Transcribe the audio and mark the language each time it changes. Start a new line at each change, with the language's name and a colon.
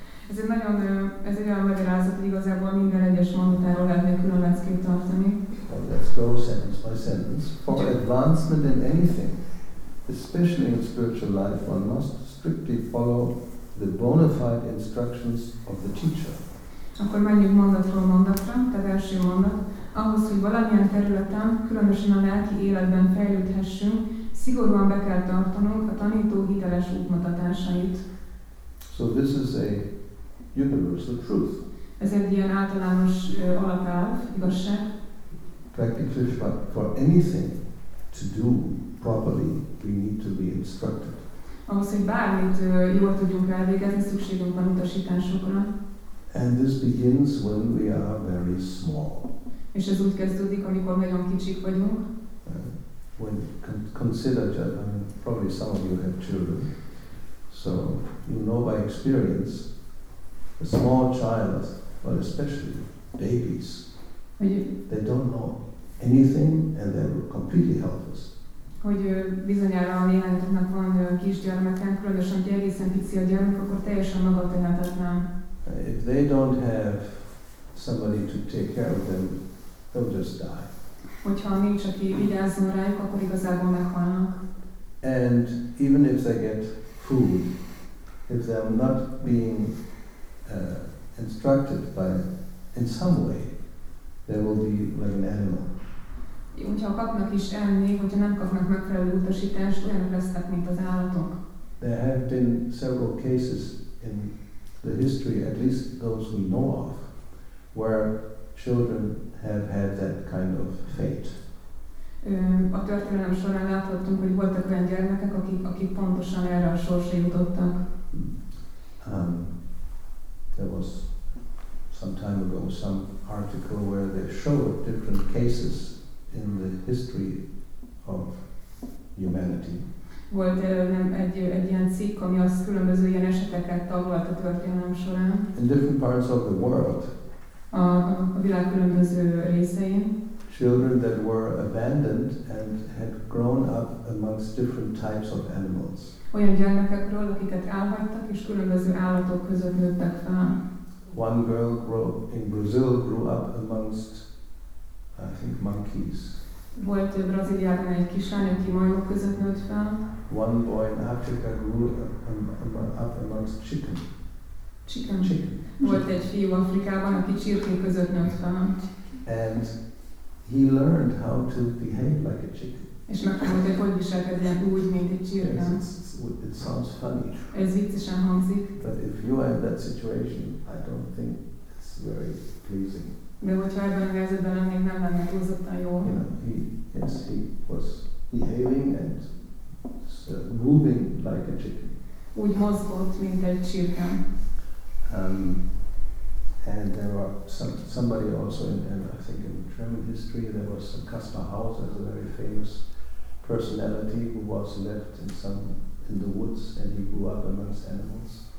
Hungarian: Ez egy nagyon, ez egy olyan magyarázat, hogy igazából minden egyes mondatáról lehet külön leckét tartani.
English: Well, let's go sentence by sentence. For advancement in anything, especially in spiritual life, one must strictly follow the bona fide instructions of the teacher.
Hungarian: Akkor menjünk mondatról mondatra, tehát első mondat. Ahhoz, hogy valamilyen területen, különösen a lelki életben fejlődhessünk, szigorúan be kell tartanunk a tanító hiteles útmutatásait.
English: So this is a universal truth.
Hungarian: Ez egy ilyen általános alapelv, igazság.
English: Practically, but for anything to do properly, we need to be instructed.
Hungarian: Ahhoz, hogy bármit jól tudjunk elvégezni, szükségünk van utasításokra.
English: And this begins when we are very small.
Hungarian: És ez úgy kezdődik, amikor nagyon kicsik vagyunk.
English: When consider that, I mean, probably some of you have children, so you know by experience, a small child, but especially babies, they don't know anything and they're completely helpless.
Hungarian: Hogy bizonyára a néhányoknak van kisgyermekek, különösen egy egészen pici a gyermek, akkor teljesen magatehetetlen.
English: If they don't have somebody to take care of them, they'll just die.
Hungarian: Hogyha nincs, aki vigyázzon rájuk, akkor igazából meghalnak.
English: And even if they get food, if they're not being instructed by, in some way, they will be like an animal.
Hungarian: Hogyha kapnak is enni, hogyha nem kapnak megfelelő utasítást, olyanok lesznek, mint az állatok.
English: There have been several cases in the history, at least those we know of, where children have had that kind of fate.
Hungarian: A történelem során láthattunk, hogy voltak olyan gyermekek, akik pontosan erre a sorsra jutottak.
English: There was some time ago some article where they showed different cases in the history of humanity.
Hungarian: Volt előlem egy ilyen cikk, ami az különböző ilyen eseteket taglalt a történelem során.
English: In different parts of the world.
Hungarian: A világ különböző részein.
English: Children that were abandoned and had grown up amongst different types of animals.
Hungarian: Olyan gyermekekről, akiket elhagytak és különböző állatok között nőttek fel.
English: One girl in Brazil grew up amongst, I think, monkeys.
Hungarian: Volt Brazíliában egy kislány, aki majmok között nőtt fel.
English: One boy in Africa grew up amongst chicken. Chicken.
Hungarian: Volt egy fiú Afrikában, aki csirkék között nőtt fel.
English: And he learned how to behave like a chicken.
Hungarian: És megtanult, hogy hogy viselkedjen úgy, mint egy csirke.
English: It sounds funny.
Hungarian: Ez viccesen hangzik.
English: But if you are in that situation, I don't think it's very pleasing.
Hungarian: De hogyha ebben a helyzetben lennék, nem lenne túlzottan jó.
English: He was behaving and moving like a chicken.
Hungarian: Úgy mozgott, mint egy csirke.
English: And there were somebody also in I think in German history, there was a Kaspar Hauser, a very famous personality who was left in some in the woods and he grew up amongst animals.